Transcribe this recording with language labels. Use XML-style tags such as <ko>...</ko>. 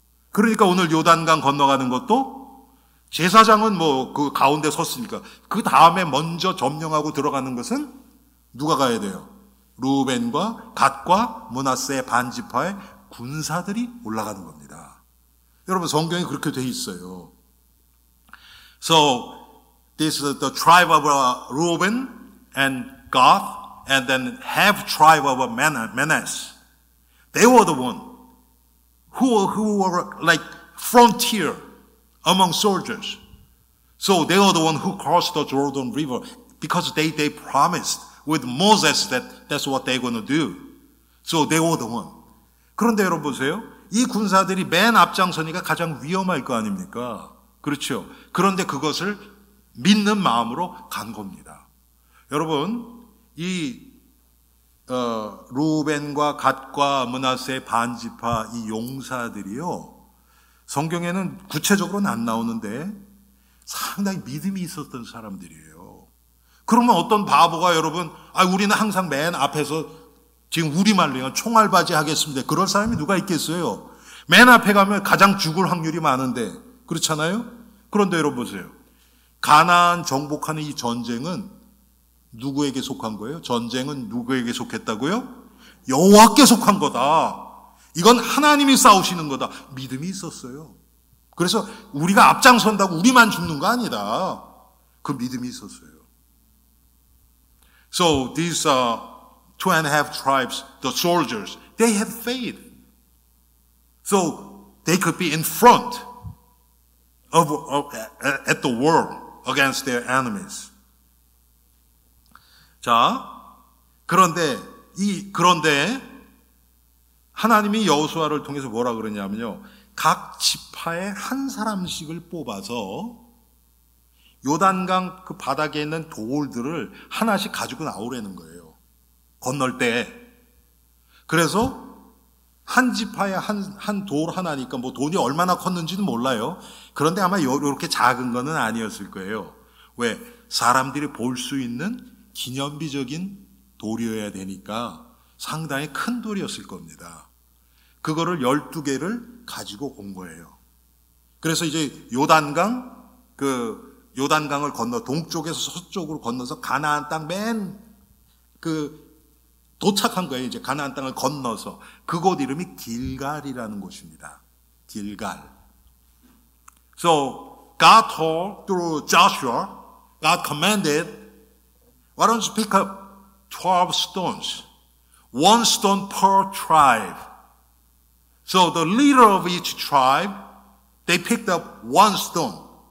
<ko>그러니까 오늘 요단강 건너가는 것도 제사장은 뭐 그 가운데 섰으니까 그 다음에 먼저 점령하고 들어가는 것은 누가 가야 돼요? 르우벤과 갓과 므낫세 반지파의 군사들이 올라가는 겁니다. 여러분 성경이 그렇게 돼 있어요.</ko> <en>So this is the tribe of Reuben and Gad and then half tribe of Manasseh. They were the one who were like frontier among soldiers. So they were the one who crossed the Jordan River because they promised with Moses that that's what they're going to do. So they were the one.</en> <ko>그런데 여러분 보세요. 이 군사들이 맨 앞장서니까 가장 위험할 거 아닙니까? 그렇죠. 그런데 그것을 믿는 마음으로 간 겁니다. 여러분, 이 르우벤과 갓과 므낫세 반지파 이 용사들이요. 성경에는 구체적으로는 안 나오는데 상당히 믿음이 있었던 사람들이에요. 그러면 어떤 바보가 여러분, 우리는 항상 맨 앞에서 지금 우리말로 총알받이 하겠습니다. 그럴 사람이 누가 있겠어요? 맨 앞에 가면 가장 죽을 확률이 많은데 그렇잖아요? 그런데 여러분 보세요. 가나안 정복하는 이 전쟁은 누구에게 속한 거예요? 전쟁은 누구에게 속했다고요? 여호와께 속한 거다. 이건 하나님이 싸우시는 거다. 믿음이 있었어요. 그래서 우리가 앞장선다고 우리만 죽는 거 아니다. 그 믿음이 있었어요.</ko> <en>So these two and a half tribes, the soldiers, they have faith. So they could be in front at the world against their enemies.</en> <ko>자, 그런데 하나님이 여호수아를 통해서 뭐라 그러냐면요. 각 지파의 한 사람씩을 뽑아서 요단강 그 바닥에 있는 돌들을 하나씩 가지고 나오라는 거예요. 건널 때. 그래서 한 지파의 한 돌 하나니까 뭐 돈이 얼마나 컸는지는 몰라요. 그런데 아마 이렇게 작은 거는 아니었을 거예요. 왜? 사람들이 볼 수 있는 기념비적인 돌이어야 되니까 상당히 큰 돌이었을 겁니다. 그거를 12개를 가지고 온 거예요. 그래서 이제 요단강을 건너 동쪽에서 서쪽으로 건너서 가나안 땅 맨 그 도착한 거예요. 이제 가나안 땅을 건너서 그곳 이름이 길갈이라는 곳입니다. 길갈.</ko> <en>So God told through Joshua, God commanded, why don't you pick up 12 stones? One stone per tribe. So the leader of each tribe, they picked up one stone.</en>